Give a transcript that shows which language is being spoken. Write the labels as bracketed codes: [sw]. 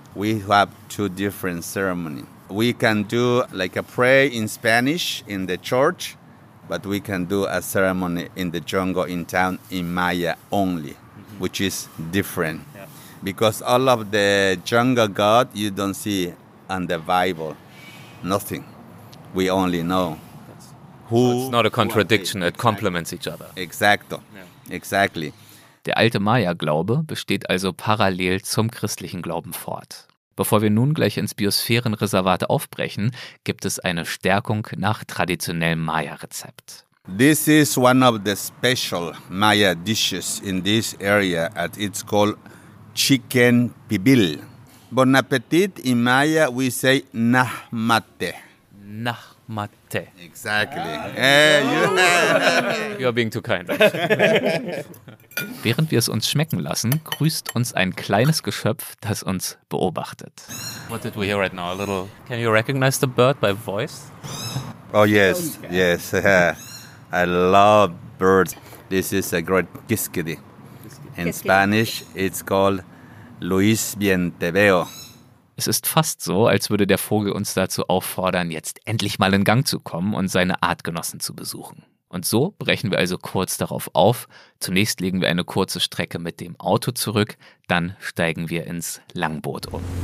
[en] We have two different ceremonies. We can do like a pray in Spanish in the church, but we can do a ceremony in the jungle in town in Maya only, mm-hmm. which is different. Yeah. Because all of the jungle god you don't see on the Bible, nothing. We only know who... So it's not a contradiction, it complements each other. Exacto. Yeah. Exactly. [de] Der alte Maya-Glaube besteht also parallel zum christlichen Glauben fort. Bevor wir nun gleich ins Biosphärenreservat aufbrechen, gibt es eine Stärkung nach traditionellem Maya-Rezept. [en] This is one of the special Maya dishes in this area, and it's called chicken pibil. Bon appetit, in Maya we say nah mate. Nah mate. Exactly. Ah. Hey, you're being too kind. [de] Während wir es uns schmecken lassen, grüßt uns ein kleines Geschöpf, das uns beobachtet. [en] What did we hear right now? A little. Can you recognize the bird by voice? Oh yes, yes. I love birds. This is a great kiskadee. In Spanish, it's called Luis Bien Te Veo. [de] Es ist fast so, als würde der Vogel uns dazu auffordern, jetzt endlich mal in Gang zu kommen und seine Artgenossen zu besuchen. Und so brechen wir also kurz darauf auf. Zunächst legen wir eine kurze Strecke mit dem Auto zurück, dann steigen wir ins Langboot um.